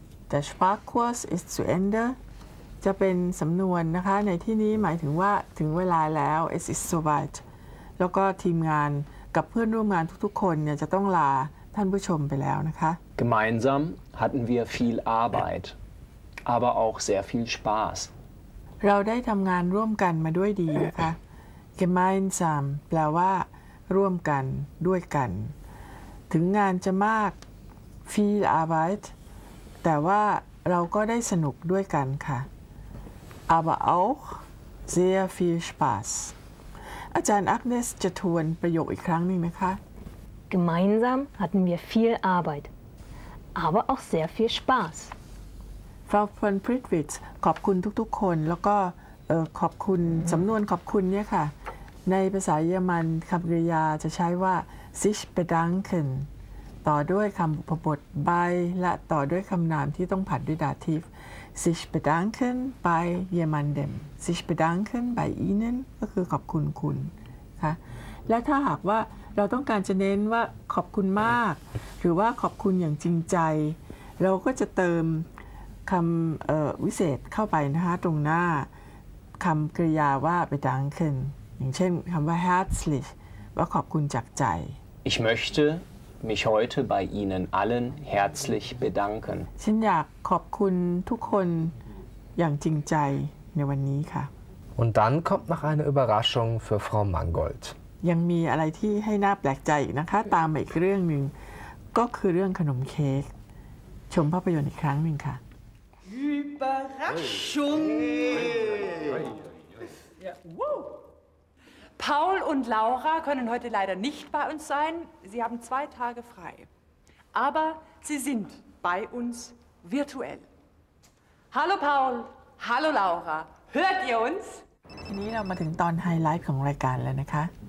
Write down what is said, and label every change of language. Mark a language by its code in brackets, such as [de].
[de] Der Sprachkurs ist zu Ende. [th] จะเป็นสำนวนนะคะในที่นี้หมายถึงว่าถึงเวลาแล้ว [de] Es ist soweit. [th] แล้วก็ทีมงานกับเพื่อนร่วมงานทุกๆคนเนี่ยจะต้องลาท่านผู้ชมไปแล้วนะคะ [de] Gemeinsam hatten wir viel Arbeit, aber auch sehr viel Spaß. [th] เราได้ทำงานร่วมกันมาด้วยดีนะคะ Gemeinsam แปลว่าร่วมกันด้วยกันถึงงานจะมาก [de] viel Arbeit [th] แต่ว่าเราก็ได้สนุกด้วยกันค่ะ [de] aber auch sehr viel Spaß [th] อาจารย์อักเนสจะทวนประโยคอีกครั้งหนึ่งไหมคะ [de] Gemeinsam hatten wir viel Arbeit aber auch sehr viel Spaß [th] Frau von Prittwitz ขอบคุณทุกๆคนแล้วก็ขอบคุณสำนวนขอบคุณเนี่ยค่ะในภาษาเยอรมันคำกริยาจะใช้ว่า [de] sich bedanken ต่อด้วยคำบุพบท bei และต่อด้วยคำนามที่ต้องผันด้วย dativ sich bedanken bei jemandem sich bedanken bei ihnen [th] ก็คือขอบคุณคุณค่ะและถ้าหากว่าเราต้องการจะเน้นว่าขอบคุณมากหรือว่าขอบคุณอย่างจริงใจ เราก็จะเติมคำวิเศษเข้าไปนะคะตรงหน้าคำกริยาว่า bedankenอย่างเช่นคำว่า herzlich ว่าขอบคุณจากใจ [de] Ich möchte mich heute bei Ihnen allen herzlich bedanken [th] ฉันอยากขอบคุณทุกคนอย่างจริงใจในวันนี้ค่ะ [de] Und dann kommt noch eine Überraschung für Frau Mangold [th] ยังมีอะไรที่ให้น่าแปลกใจนะคะตามมาอีกเรื่องหนึ่งก็คือเรื่องขนมเค้กชมภาพยนตร์อีกครั้งหนึ่งค่ะ [de] Überraschung Wow Paul und Laura können heute leider nicht bei uns sein. Sie haben zwei Tage frei. Aber sie sind bei uns virtuell. Hallo Paul, hallo Laura. Hört ihr uns? [th] ทีนี้เรามาถึงตอนไฮไลท์ของรายการแล้วนะคะ